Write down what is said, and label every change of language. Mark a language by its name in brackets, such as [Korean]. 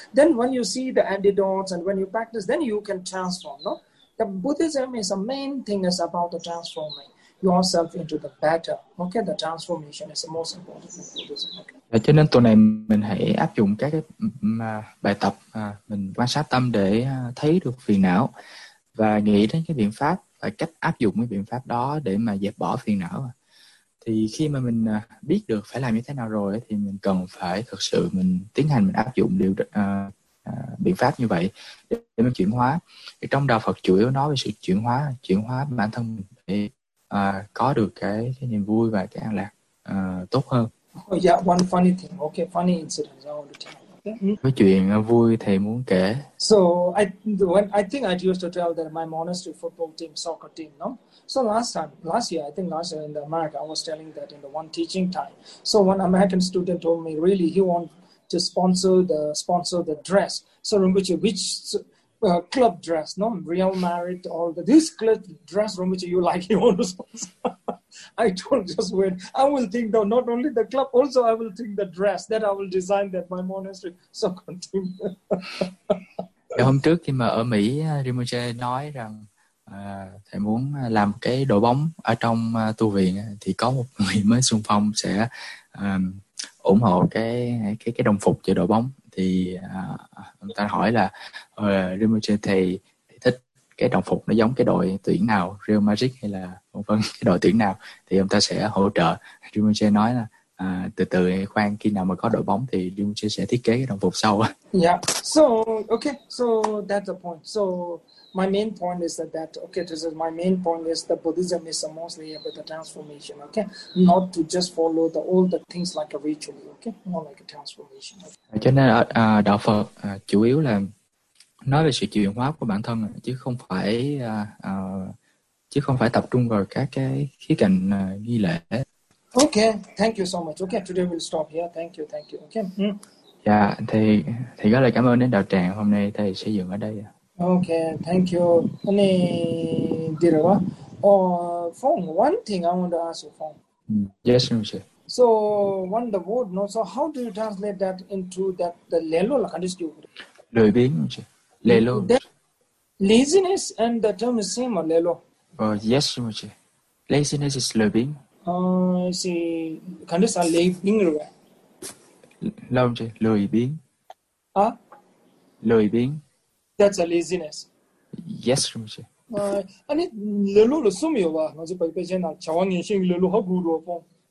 [English] Then when you see the antidotes and when you practice, then you can transform. No, the Buddhism is a main thing is about the transforming yourself into the better. Okay, the transformation is the most important in Buddhism. Okay. [Vietnamese] Và cho nên tuần này mình hãy áp dụng các cái bài tập mình quan sát tâm để thấy được phiền não và nghĩ đến cái biện pháp và cách áp dụng cái biện pháp đó để mà dẹp bỏ phiền não. Thì khi mà mình biết được phải làm như thế nào rồi thì mình cần phải thực sự mình tiến hành, mình áp dụng điều biện pháp như vậy để mình chuyển hóa. Thì trong đạo Phật chủ yếu nói về sự chuyển hóa bản thân mình để có được cái niềm vui và cái an lạc tốt hơn. [English] Oh yeah, one funny thing. Okay, funny incident. I want to tell. [Vietnamese] Cái chuyện vui thầy muốn kể. [English] So I think I used to tell that my monastery football team, soccer team, no. So last year in America, I was telling that in the one teaching time. So one American student told me really he want to sponsor the dress. So Rinpoche, which club dress? No, Real Madrid or this club dress? Rinpoche, you like? He want to sponsor. I don't just wait. I will think though, not only the club, also I will think the dress that I will design that my monastery. So continue. [Vietnamese] Hôm trước khi mà ở Mỹ, Rinpoche nói rằng thầy muốn làm cái đội bóng ở trong tu viện, thì có một người mới xung phong sẽ ủng hộ cái đồng phục cho đội bóng. Thì người ta hỏi là Rinpoche thầy thích cái đồng phục nó giống cái đội tuyển nào, Real Madrid hay là vân vân cái đội tuyển nào, thì ông ta sẽ hỗ trợ. Dumuche nói là từ từ khoan, khi nào mà có đội bóng thì Dumuche sẽ thiết kế cái đồng phục sau. [English] Yeah, so okay, so that's the point. So my main point is that okay, this is my main point is the Buddhism is a mostly about the transformation, okay, not to just follow the all the things like a ritual, okay, more like a transformation. Okay? [Vietnamese] Cho nên đạo Phật chủ yếu là nói về sự chuyển hóa của bản thân chứ không phải tập trung vào các cái khía cạnh nghi lễ. [English] Okay, thank you so much. Okay, today we'll stop here. Thank you, okay. [Vietnamese] Dạ, thì rất là cảm ơn đến đạo tràng hôm nay thầy xây dựng ở đây. [English] Okay, thank you. Any Dirawa? Oh, Phong, one thing I want to ask you, Phong. Yes, sir. So, one the word, no? So, how do you translate that into that the lelo lakandistyo? [Vietnamese] Lười biếng, sir. Lelo. [English] Laziness and the term is same, or lelo? Yes, sir. Laziness is lười biếng. I see. [Vietnamese] Kandistyo lười biếng, right? Lâu chứ, lười biếng. Hả? Lười biếng. [English] That's a laziness. Yes, sir. Ah, anh lười lười sum yêu ba, nói chuyện bây giờ nào, cháu nghe xin lười lười học gù rồi không?